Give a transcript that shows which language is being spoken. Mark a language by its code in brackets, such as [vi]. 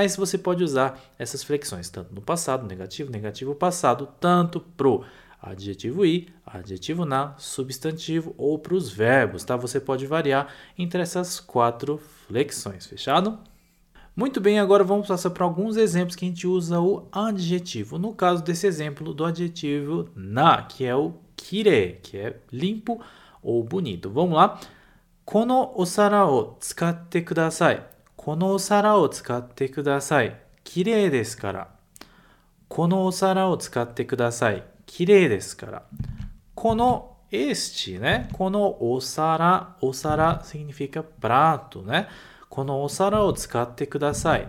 [pt] Mas você pode usar essas flexões, tanto no passado, negativo, negativo passado, tanto pro adjetivo i, adjetivo na, substantivo ou para os verbos, tá? Você pode variar entre essas quatro flexões, fechado? Muito bem, agora vamos passar para alguns exemplos que a gente usa o adjetivo. No caso desse exemplo do adjetivo na, que é o kire, que é limpo ou bonito. Vamos lá? [ja] このお皿を使ってください。このお皿を使ってください。きれいですから。このお皿を使ってください。きれいですから。このエスチね。このお皿。 [pt] お皿 significa prato, né? [ja] このお皿を使ってください。